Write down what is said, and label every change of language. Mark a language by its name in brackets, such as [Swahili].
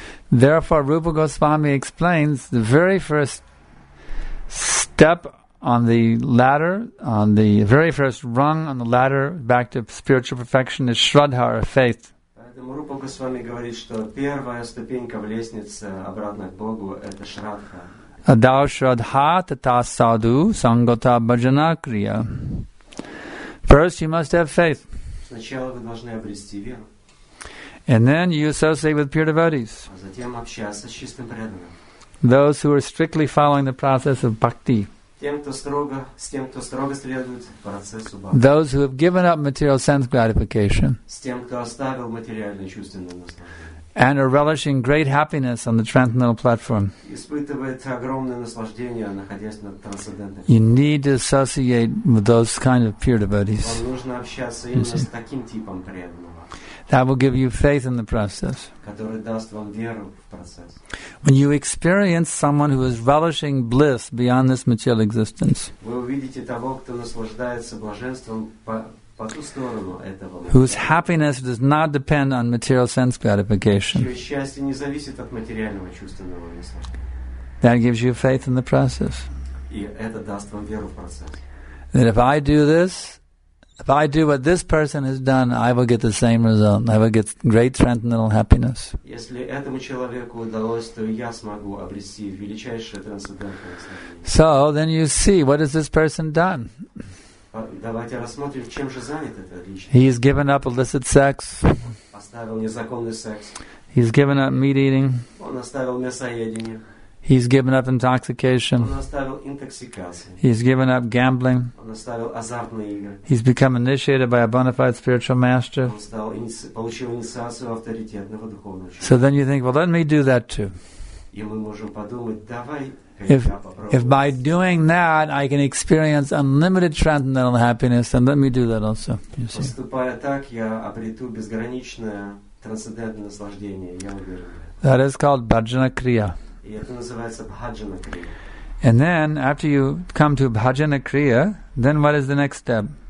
[English] Therefore, Rupa Goswami explains the very first step on the ladder, on the very first rung on the ladder back to spiritual perfection is Shraddha, or faith. [Russian] Рупа Госвами говорит, что первая ступенька в лестнице обратно к Богу – это Шрадха. [Sanskrit] Адау Шрадха тата саду сангота баджана крия. [English] First, you must have faith. [Russian] Сначала вы должны обрести веру. [English] And then you associate with pure devotees. [Russian] А затем общаться с чистым преданным. [English] Those who are strictly following the process of bhakti. [Russian] С тем, кто строго следует процессу бхакти. [English] Those who have given up material sense gratification. [Russian] С тем, кто оставил материальное чувственное наслаждение. [English] And are relishing great happiness on the transcendental platform. [Russian] Испытывает огромное наслаждение, находясь на трансцендентной. [English] You need to associate with those kind of pure devotees. [Russian] Вам нужно общаться именно с таким типом преданного. [English] That will give you faith in the process. [Russian] Который даст вам веру в процесс. [English] When you experience someone who is relishing bliss beyond this material existence. [Russian] Вы увидите того, кто наслаждается блаженством по ту сторону этого. [English] Whose happiness does not depend on material sense gratification. [Russian] Чье счастье не зависит от материального чувственного наслаждения. [English] That gives you faith in the process. [Russian] И это даст вам веру в процесс. [English] That if I do this, if I do what this person has done, I will get the same result. I will get great transcendental happiness. [Russian] Если этому человеку удалось, то я смогу обрести величайшее трансцендентное наслаждение. [English] So then you see, what has this person done? [Russian] Давайте рассмотрим, чем же занят этот личный. [English] He has given up illicit sex. [Russian] Оставил незаконный секс. [English] He's given up meat eating. [Russian] Он оставил мясоедение. [English] He's given up intoxication. [Russian] Он оставил интоксикацию. [English] He's given up gambling. [Russian] Он оставил азартные игры. [English] He's become initiated by a bona fide spiritual master. [Russian] Он стал, получил инициацию авторитетного духовного человека. [English] So then you think, well, let me do that too. [Russian] И мы можем подумать, давай. [English] If by doing that I can experience unlimited transcendental happiness, then let me do that also. [Russian] Поступая так, я обрету безграничное трансцендентное наслаждение. [English] That is called bhajana kriya. [Russian] И это называется bhajana kriya. [English] And then, after you come to Bhajana Kriya, then what is the next step?